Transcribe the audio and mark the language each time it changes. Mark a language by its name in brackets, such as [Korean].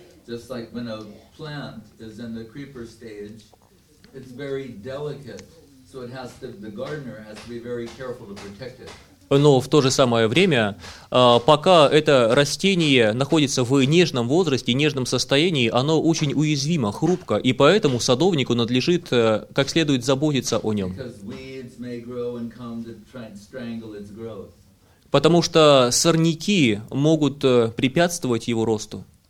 [English] Just like when a plant is in the creeper stage, it's very delicate, so the gardener has to be very careful to protect it. [Russian] Но в то же самое время, пока это растение находится в нежном возрасте, нежном состоянии, оно очень уязвимо, хрупко, и поэтому садовнику надлежит как следует заботиться о нем. [English] Because weeds may grow and come to try and strangle its growth. [Russian] Потому что сорняки могут препятствовать его росту.